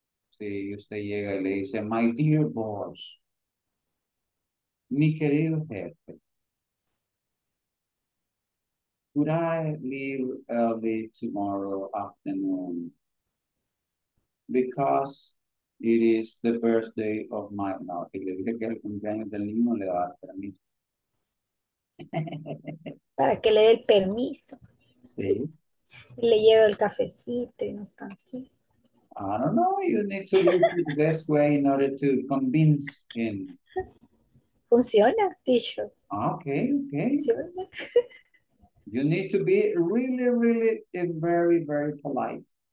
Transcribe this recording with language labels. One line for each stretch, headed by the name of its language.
Spanish: Sí, usted llega y le dice,
English: my dear boss,
Spanish: mi querido jefe,
English: could I leave early tomorrow afternoon? Because it is the birthday of my now.
Spanish: Y le dije que el cumpleaños del niño le va a dar permiso. Para que le dé el permiso. Sí. Y le lleve el cafecito y no está así.
English: I don't know. You need to do it the best way in order to convince him.
Spanish: Funciona, teacher.
English: Okay, okay.
Spanish: Funciona.
English: You need to be really, really very, very polite.